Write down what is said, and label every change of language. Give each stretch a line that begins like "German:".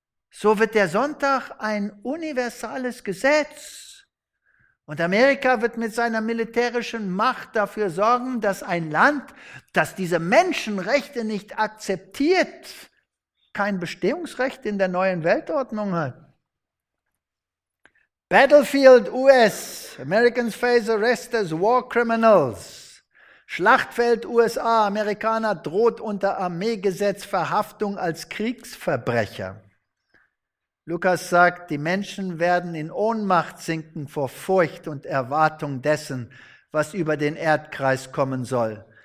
German: So wird der Sonntag ein universales Gesetz. Und Amerika wird mit seiner militärischen Macht dafür sorgen, dass ein Land, das diese Menschenrechte nicht akzeptiert, kein Bestehungsrecht in der neuen Weltordnung hat.
English: Battlefield US, Americans face arrest as war criminals.
German: Schlachtfeld USA, Amerikaner droht unter Armeegesetz Verhaftung als Kriegsverbrecher. Lukas sagt, die Menschen werden in Ohnmacht sinken vor Furcht und Erwartung dessen, was über den Erdkreis kommen soll.